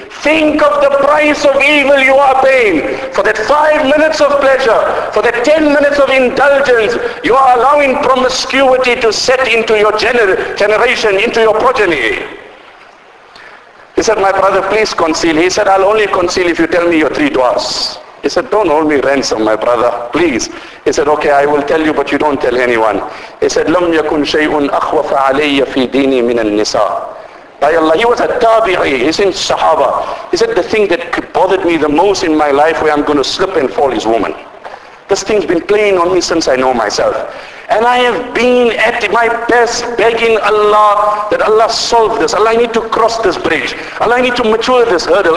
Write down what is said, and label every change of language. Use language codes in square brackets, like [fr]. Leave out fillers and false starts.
[en] Think of the price of evil you are paying. For that 5 minutes of pleasure, for that 10 minutes of indulgence, you are allowing promiscuity to set into your generation, into your progeny. He said, my brother, please conceal. He said, I'll only conceal if you tell me your three du'as. He said, don't hold me ransom, my brother, please. He said, okay, I will tell you, but you don't tell anyone. He said, [ar] لَمْ يَكُنْ شَيْءٌ أَخْوَفَ عَلَيَّ فِي دِينِي مِنَ النِّسَاءِ. [en] By Allah, he was a tabi'i, he's in sahaba. He said, the thing that bothered me the most in my life where I'm going to slip and fall is woman. This thing's been playing on me since I know myself. And I have been at my best begging Allah that Allah solve this. Allah, I need to cross this bridge. Allah, I need to mature this hurdle.